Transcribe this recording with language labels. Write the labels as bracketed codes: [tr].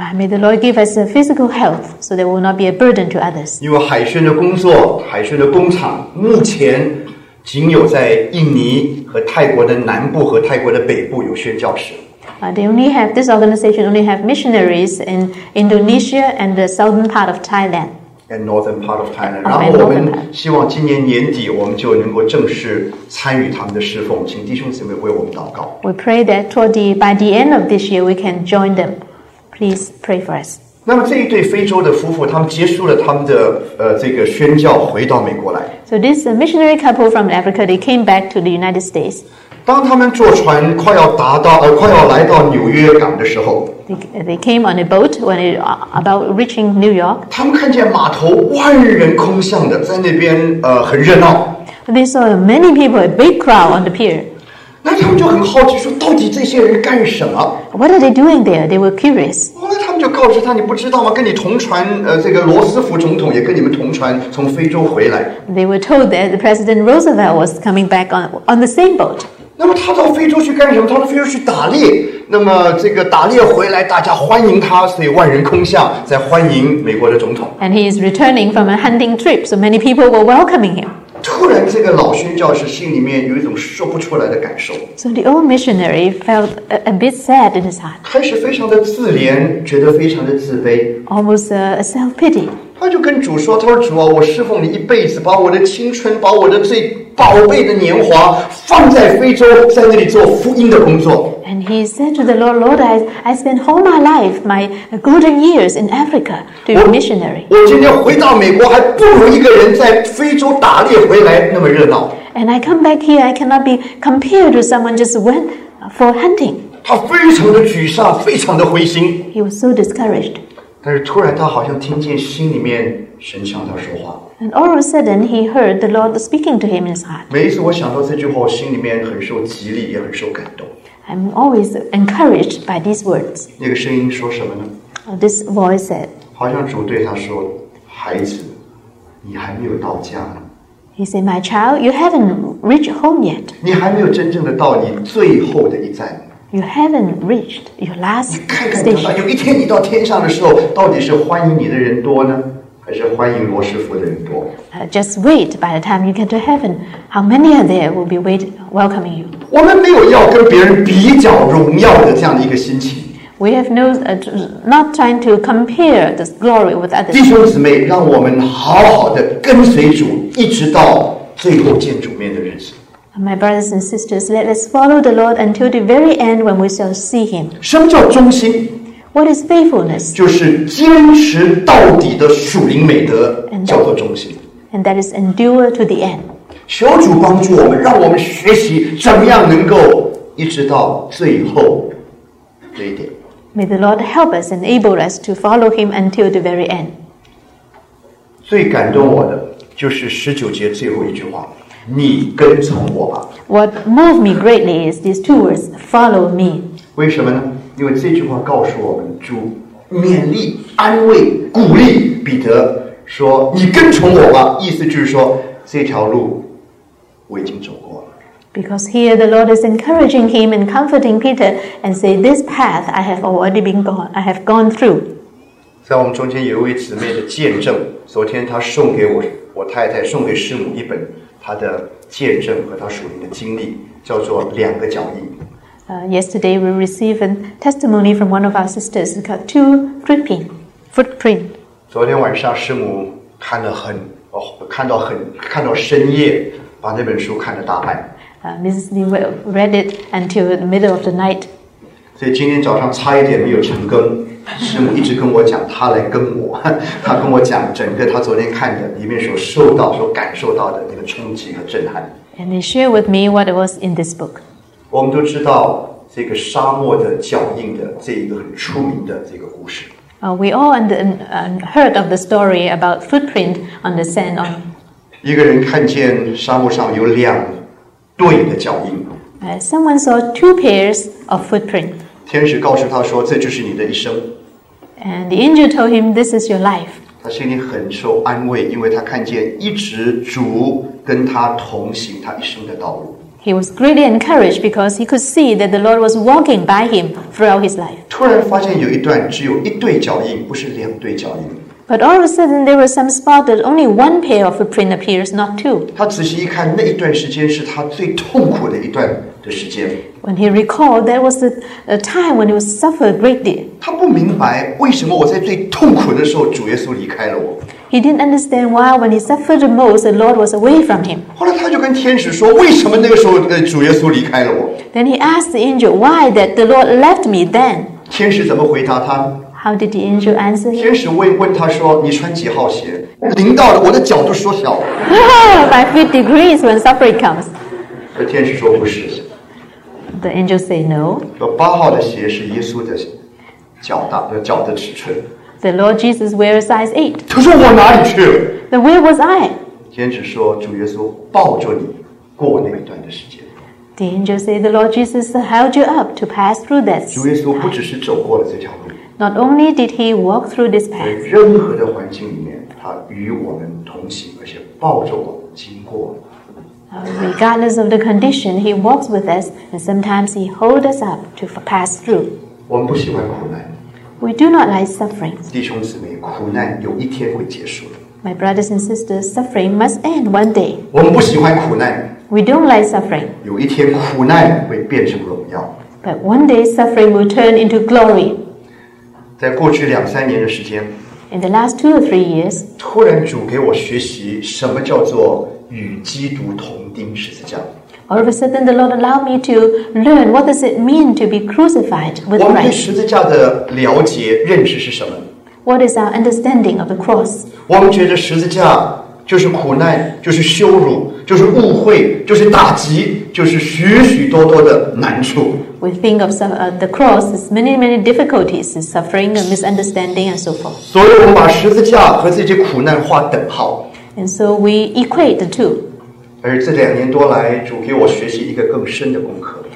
[en] May the Lord give us a physical health so that will not be a burden to others. [zh] 因为海轩的工作，海轩的工厂目前仅有在印尼和泰国的南部和泰国的北部有宣教士。 [en] This organization only have missionaries in Indonesia and the southern part of Thailand. And northern part of Thailand. [zh] 然后我们希望今年年底我们就能够正式参与他们的侍奉，请弟兄姊妹为我们祷告。 [en] We pray that toward the by the end of this year we can join them. Please pray for us. [zh] 那么这一对非洲的夫妇，他们结束了他们的这个宣教，回到美国来。 [en] So this missionary couple from Africa, they came back to the United States. [zh] 当他们坐船快要达到快要来到纽约港的时候。 [en] They came on a boat when it about reaching New York. [zh] 他们看见码头万人空巷的，在那边很热闹。 [en] They saw many people, a big crowd on the pier. [zh] 那他们就很好奇，说到底这些人干什么 [en] ？What are they doing there? They were curious. [zh] 那他们就告知他，你不知道吗？跟你同船，这个罗斯福总统也跟你们同船从非洲回来。 [en] They were told that the President Roosevelt was coming back on the same boat. [zh] 那么他到非洲去干什么？他到非洲去打猎。那么这个打猎回来，大家欢迎他，所以万人空巷在欢迎美国的总统。 [en] And he is returning from a hunting trip, so many people were welcoming him. [zh] 突然，这个老宣教士心里面有一种说不出来的感受。 [en] So the old missionary felt a bit sad in his heart. [zh] 开始非常的自怜，觉得非常的自卑。 [en] Almost a self-pity. [zh] 他就跟主说：“他说主啊，我侍奉你一辈子，把我的青春，把我的最……”宝贝的年华放在非洲，在那里做福音的工作。 [en] And he said to the Lord, Lord, I spent all my life, my golden years in Africa, to be a missionary. [zh] 我今天回到美国，还不如一个人在非洲打猎回来那么热闹。 [en] And I come back here, I cannot be compared to someone just went for hunting. [zh] 他非常的沮丧，非常的灰心。 [en] He was so discouraged. [zh] 但是突然，他好像听见心里面神向他说话。 [en] And all of a sudden, he heard the Lord speaking to him in his heart. [zh] 每一次我想到这句话，我心里面很受激励，也很受感动。 [en] I'm always encouraged by these words. [zh] 那个声音说什么呢？ [en] This voice said. [zh] 好像主对他说，孩子，你还没有到家呢。 [en] He said, "My child, you haven't reached home yet." [zh] 你还没有真正的到你最后的一站。 [en] You haven't reached your last station. [zh] 你看看等到有一天你到天上的时候，到底是欢迎你的人多呢？还是欢迎罗师傅的人多。 [en] Just wait. By the time you get to heaven, how many are there will be waiting, welcoming you? [zh] 我们没有要跟别人比较荣耀的这样的一个心情。 [en] We have no, not trying to compare this glory with others. [zh] 弟兄姊妹，让我们好好的跟随主，一直到最后见主面的日子。 [en] My brothers and sisters, let us follow the Lord until the very end when we shall see Him. [zh] 什么叫忠心？ [en] What is faithfulness? [zh] 就是坚持到底的属灵美德，叫做忠心。 [en] And that is endure to the end. [zh] 求主帮助我们，让我们学习怎么样能够一直到最后这一点。 [en] May the Lord help us and enable us to follow Him until the very end. [zh] 最感动我的就是十九节最后一句话：“你跟从我吧。” [en] What moved me greatly is these two words: "Follow me." [zh] 为什么呢？因为这句话告诉我们，主勉励、安慰、鼓励彼得说：“你跟从我吧。” 意思就是说，这条路我已经走过了。 [en] Because here the Lord is encouraging him and comforting Peter and say, "This path I have already been gone. I have gone through." [zh] 在我们中间有一位姊妹的见证，昨天她送给我，我太太送给师母一本她的见证和她属灵的经历，叫做《两个脚印》。 [en] Yesterday we received a testimony from one of our sisters called Two Footprint. [zh] 昨天晚上师母看了很看到深夜，把那本书看了大半。 [en] Mrs. Lee read it until the middle of the night. [zh] 所以今天早上差一点没有成更，师母一直跟我讲，她来跟我，她跟我讲整个她昨天看的里面所受到、所感受到的那个冲击和震撼。 [en] And they share with me what was in this book. [zh] 我们都知道这个沙漠的脚印的这一个很出名的这个故事。 [en] We all heard of the story about footprint on the sand. [zh] 一个人看见沙漠上有两对的脚印。 [en] Someone saw two pairs of footprint. [zh] 天使告诉他说：“这就是你的一生。” [en] And the angel told him, "This is your life." [zh] 他心里很受安慰，因为他看见一直主跟他同行他一生的道路。 [en] He was greatly encouraged because he could see that the Lord was walking by him throughout his life. [zh] 突然发现有一段只有一对脚印，不是两对脚印。 [en] But all of a sudden, there was some spot that only one pair of footprint appears, not two. [zh] 他仔细一看，那一段时间是他最痛苦的一段的时间。 [en] When he recalled, there was a time when he was suffered greatly. [zh] 他不明白为什么我在最痛苦的时候，主耶稣离开了我。 [en] He didn't understand why when he suffered the most, the Lord was away from him. [zh] 后来他就跟天使说，为什么那个时候主耶稣离开了我？ [en] Then he asked the angel, why that the Lord left me then? [zh] 天使怎么回答他？ [en] How did the angel answer him? [zh] 天使问他说，你穿几号鞋？临到了，我的脚都缩小了。 [en] By 50 degrees when suffering comes. [zh] 而天使说不是。 [en] The angel said no. [zh] 说八号的鞋是耶稣的脚大，脚的尺寸。 [en] The Lord Jesus wears size 8. [zh] 他说我哪里去了？ [en] Then where was I? [zh] 天使说主耶稣抱着你过那一段的时间。 [en] The angel said the Lord Jesus held you up to pass through this. [zh] 主耶稣不只是走过了这条路。 [en] Not only did he walk through this path. [zh] 在任何的环境里面，他与我们同行，而且抱着我们经过了。 [en] Regardless of the condition, he walks with us, and sometimes he holds us up to pass through. [zh] 我们不喜欢苦难。 [en] We do not like suffering. [zh] 弟兄姊妹，苦难有一天会结束的。 [en] My brothers and sisters, suffering must end one day. [zh] 我们不喜欢苦难。 [en] We don't like suffering. [zh] 有一天苦难会变成荣耀。 [en] But one day suffering will turn into glory. [zh] 在过去两三年的时间， [en] In the last two or three years, [zh] 突然主给我学习什么叫做与基督同钉十字架。 [en] All of a sudden, the Lord allowed me to learn what does it mean to be crucified with Christ. [zh] 我们对十字架的了解认识是什么？ [en] What is our understanding of the cross? [zh] 我们觉得十字架就是苦难，就是羞辱，就是误会，就是打击，就是许许多多的难处。 [en] We think of the cross as many, many difficulties, suffering, and misunderstanding, and so forth. [zh] 所以我们把十字架和这些苦难划等号。 [en] And so we equate the two. [zh] 而这两年多来，主给我学习一个更深的功课。